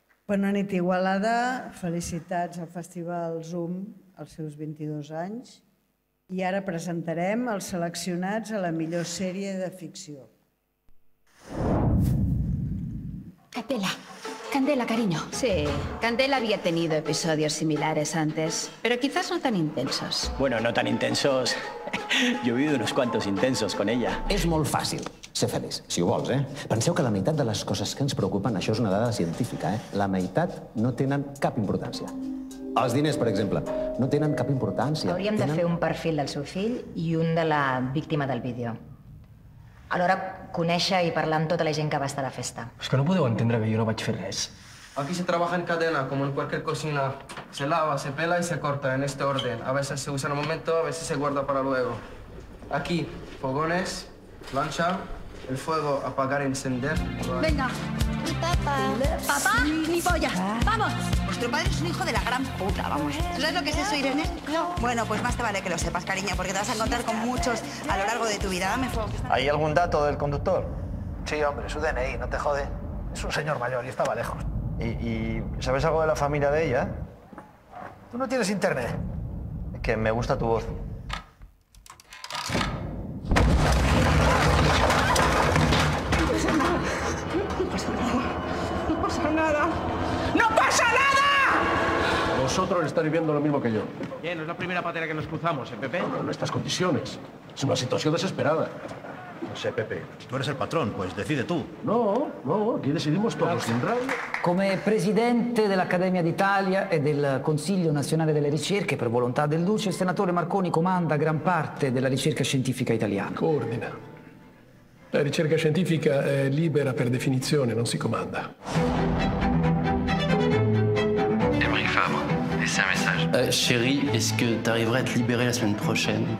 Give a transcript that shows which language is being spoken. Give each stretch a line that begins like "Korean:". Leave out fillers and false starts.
Catalan: Bona nit, Igualada. Felicitats al Festival Zoom, als seus 22 anys. I ara presentarem els seleccionats a la millor sèrie de ficció.
Spanish: Candela. Candela, cariño. Sí, Candela había tenido episodios similares antes, pero quizás no tan intensos. Bueno, no tan intensos. Yo he vivido unos cuantos intensos con ella.
Catalan: És molt fàcil ser feliç, si ho vols, eh? Penseu que la meitat de les coses que ens preocupen, això és una dada científica, eh? La meitat no tenen cap importància. Els diners, per exemple, no tenen cap importància. Hauríem tenen... de fer un perfil del seu fill i un de la víctima del vídeo. Alhora, conèixer i parlar amb tota la gent que va estar a la festa. És que no podeu entendre que jo no vaig fer res.
Spanish: Aquí se trabaja en cadena, como en cualquier cocina. Se lava, se pela y se corta, en este orden. A veces se usa en un momento, a veces se guarda para luego. Aquí, fogones, plancha, el fuego, apagar, encender... Venga. Papá, ni polla. Vamos. Vuestro padre es un hijo de la gran puta, vamos. ¿Sabes lo que es eso, Irene? No. Bueno, pues más te vale que lo sepas, cariño, porque te vas a encontrar con muchos a lo largo de tu vida. Dame fuego. ¿Hay algún dato del conductor? Sí, hombre, su DNI, no te jode. Es un señor mayor y estaba lejos. ¿Y sabes algo de la familia de ella? ¿Tú no tienes internet? Es que me gusta tu voz. Vosotros estáis viviendo lo mismo que yo. Bien, no es la primera patera que nos cruzamos, ¿eh, Pepe? No, no, en estas condiciones. Es una situación desesperada. No sé, Pepe, tú eres el patrón, pues decide tú. No, no, aquí decidimos todos, sin radio. Como presidente de la Academia d'Italia y del
Italian: Consiglio Nazionale delle Ricerche, per volontà del Duce, il senatore Marconi comanda gran parte della ricerca scientifica italiana. Coordina. La ricerca scientifica è libera per definizione, non si comanda.
French: Chérie, est-ce que tu arriverais à te libérer la semaine prochaine?